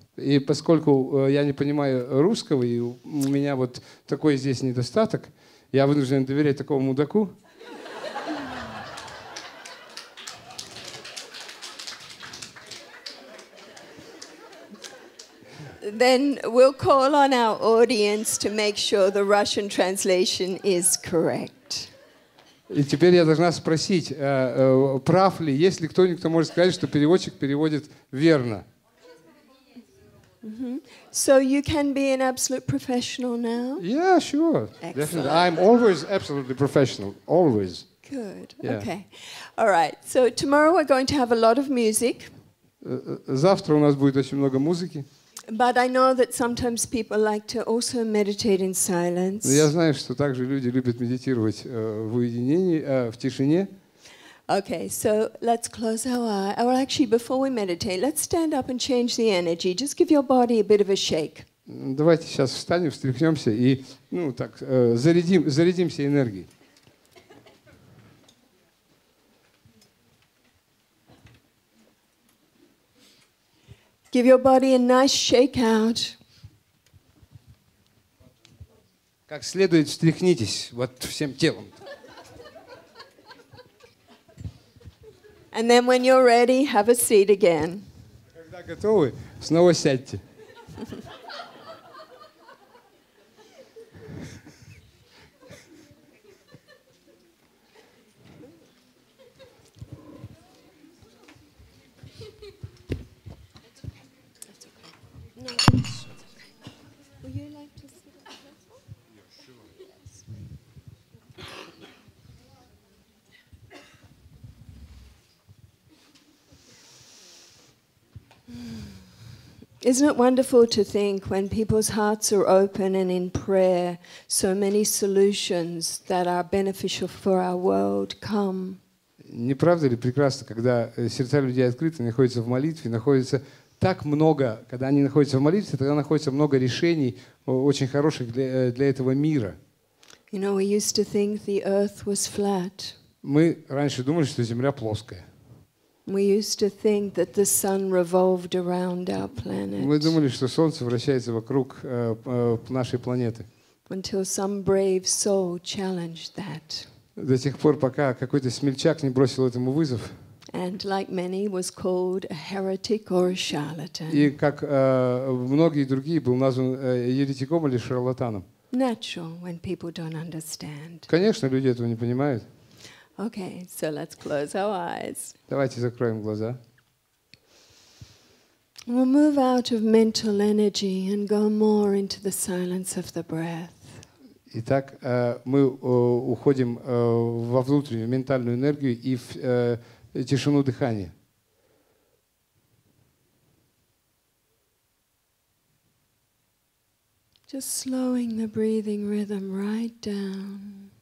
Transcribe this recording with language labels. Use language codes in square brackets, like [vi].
[ru] И поскольку я не понимаю русского и у меня вот такой здесь недостаток, я вынужден доверять такому мудаку. [en] Then we'll call on our audience to make sure the Russian translation is correct. [ru] И теперь я должна спросить, прав ли, есть ли кто-нибудь, кто может сказать, что переводчик переводит верно? [en] So you can be an absolute professional now? Yeah, sure. Excellent. Definitely. I'm always absolutely professional. Always. Good. Yeah. Okay. All right. So tomorrow we're going to have a lot of music. [ru] Завтра у нас будет очень много музыки. [en] But I know that sometimes people like to also meditate in silence. [ru] Я знаю, что также люди любят медитировать в уединении, в тишине. [en] Okay, so let's close our eyes. Well, actually, before we meditate, let's stand up and change the energy. Just give your body a bit of a shake. [ru] Давайте сейчас встанем, встряхнемся и, ну, так, зарядимся энергией. [en] Give your body a nice shake out. [ru] Как следует встряхнитесь вот всем телом. [en] And then when you're ready, have a seat again. [ru] Когда готовы, снова сядьте. [en] Isn't it wonderful to think when people's hearts are open and in prayer, so many solutions that are beneficial for our world come? [ru] Не правда ли прекрасно, когда сердца людей открыты, находятся в молитве, находятся так много, когда они находятся в молитве, тогда находится много решений очень хороших для этого мира. [en] You know, we used to think the earth was flat. [ru] Мы раньше думали, что Земля плоская. [en] We used to think that the sun revolved around our planet. [ru] Мы думали, что солнце вращается вокруг нашей планеты. [en] Until some brave soul challenged that. [ru] До тех пор, пока какой-то смельчак не бросил этому вызов. [en] And like many, was called a heretic or a charlatan. [ru] И как многие другие, был назван еретиком или шарлатаном. [en] Natural when people don't understand. [ru] Конечно, люди этого не понимают. [en] Okay, so let's close our eyes. [ru] Давайте закроем глаза. [en] We'll move out of mental energy and go more into the silence of the breath. [ru] Итак, мы уходим во внутреннюю ментальную энергию и в тишину дыхания. [en] Just slowing the breathing rhythm right down.